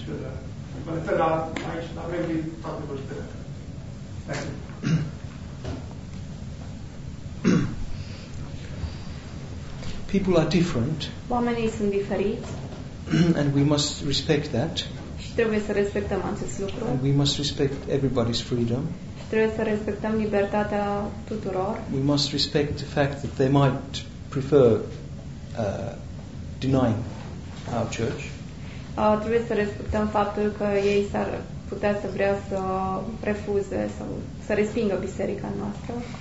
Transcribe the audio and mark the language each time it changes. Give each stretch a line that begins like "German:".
English: Children. But if there are, I should not really talk about that. People are different.
Romanian: Oamenii sunt diferiți.
English: And we must respect that.
Romanian: Și trebuie să respectăm acest lucru.
English: And we must respect everybody's freedom.
Romanian: Și trebuie să respectăm libertatea tuturor.
English: We must respect the fact that they might prefer denying our church.
Romanian: Trebuie să respectăm faptul că ei s-ar putea să vrea să refuze sau să respingă biserica noastră.